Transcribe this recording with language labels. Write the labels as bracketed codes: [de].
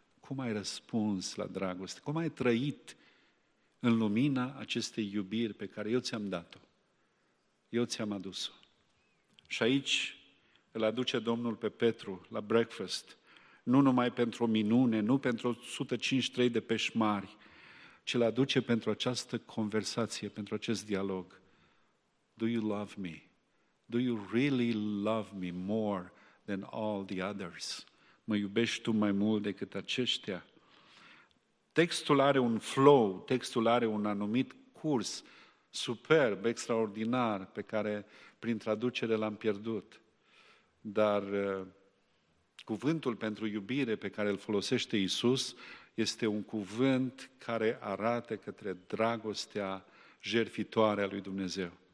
[ro] Cum ai răspuns la dragoste? Cum ai trăit în lumina acestei iubiri pe care eu ți-am dat-o? Eu ți-am adus-o. Și aici îl aduce Domnul pe Petru la breakfast, nu numai pentru o minune, nu pentru 153 de peșmari, ci îl aduce pentru această conversație, pentru acest dialog. [en] Do you love me? Do you really love me more than all the others? [ro] Mă iubești tu mai mult decât aceștia? Textul are un flow, textul are un anumit curs superb, extraordinar, pe care prin traducere l-am pierdut. Dar cuvântul pentru iubire pe care îl folosește Iisus este un cuvânt care arată către dragostea jertfitoare a lui Dumnezeu.